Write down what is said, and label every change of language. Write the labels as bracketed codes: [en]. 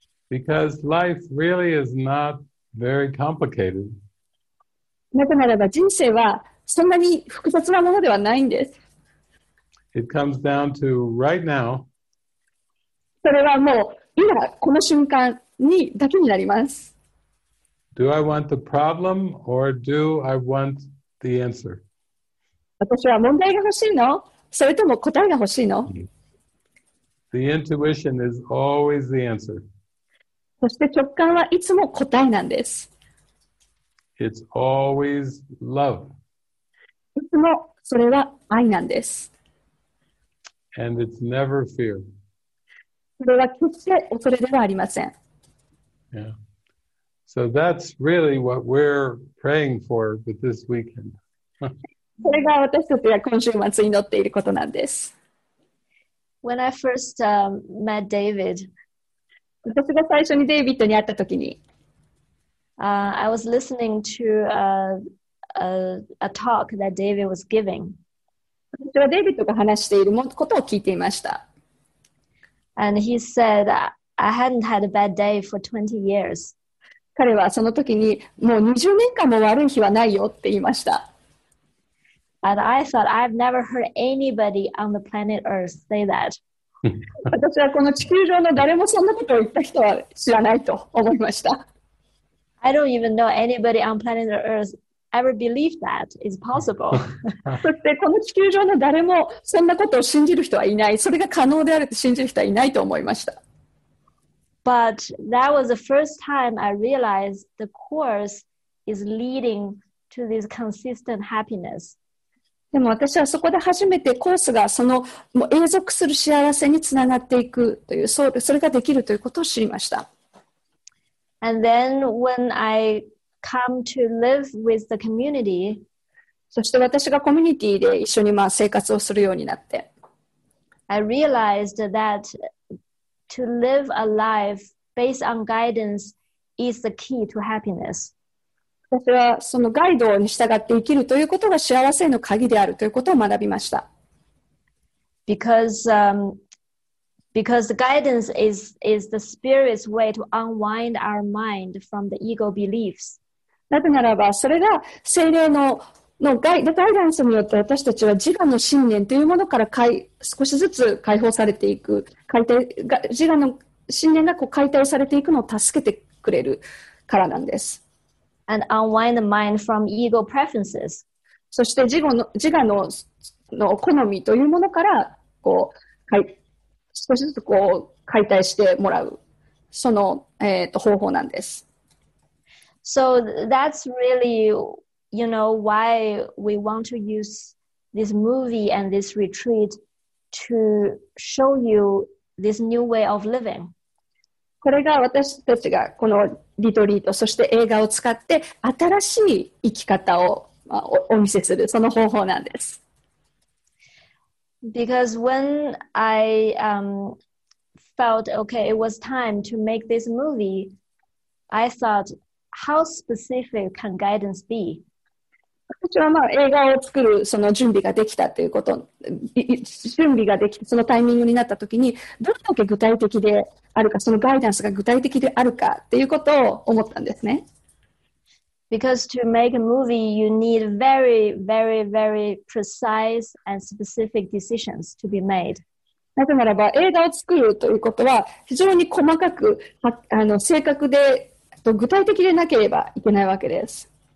[en] Because life really is not very complicated. [ja] なぜならば人生はそんなに複雑なものではないんです。 [en] It comes down to right now. [ja] それはもう今この瞬間にだけになります。 [en] Do I want the problem or do I want the answer? [ja] 私は問題が欲しいの？それとも答えが欲しいの？ [en] The intuition is always the answer. [ja] そして直感はいつも答えなんです。 [en] It's always love. [ja] いつもそれは愛なんです。 [en] And it's never fear. [ja] それは決して恐れではありません。 [en] Yeah. So that's really what we're praying for with this weekend. [ja] それが私たちが今週末に祈っていることなんです。 [en] When I first met David, [ja] 私が最初にデイビッドに会ったときに、 [en] I was listening to a talk that David was giving. [ja] 私はデイビッドが話していることを聞いていました。 [en] And he said, I hadn't had a bad day for 20 years. [ja] 彼はその時に、もう20年間も悪い日はないよって言いました。 [en] And I thought, I've never heard anybody on the planet Earth say that. [ja] 私はこの地球上の誰もそんなことを言った人は知らないと思いました。 [en] I don't even know anybody on planet Earth ever believed that is possible. [ja] そしてこの地球上の誰もそんなことを信じる人はいない。それが可能であると信じる人はいないと思いました。 [en] But that was the first time I realized the course is leading to this consistent happiness. [ja] でも私はそこで初めてコースがそのもう永続する幸せにつながっていくという、それができるということを知りました。 [en] And then when I come to live with the community, [ja] そして私がコミュニティで一緒にまあ生活をするようになって、 [en] I realized that to live a life based on guidance is the key to happiness. [ja] 私はそのガイドに従って生きるということが幸せの鍵であるということを学びました。 [en] Because the guidance is the spirit's way to unwind our mind from the ego beliefs. [ja] なぜならば、それが精霊 のガイダンスによって私たちは自我の信念というものから少しずつ解放されていく、自我の信念がこう解体されていくのを助けてくれるからなんです。 [en] And unwind the mind from ego preferences. [ja] そして自我の好みというものからこう少しずつこう解体してもらうその、方法なんです。 [en] So that's really, you know, why we want to use this movie and this retreat to show you this new way of living. [ja] これが私たちがこのリトリート、そして映画を使って新しい生き方を、まあ、お見せするその方法なんです。 [en] Because when I felt okay, it was time to make this movie, I thought, how specific can guidance be? [ja] 私はまあ映画を作るその準備ができたということ、準備ができたそのタイミングになったときに、どれだけ具体的で、あるかそのガイダンスが具体的であるかっていうことを思ったんですね。 [en] Because to make a movie, you need very, very, very precise and specific decisions to be made. [ja] なぜならば映画を作るということは非常に細かく正確でと具体的でなければいけないわけです。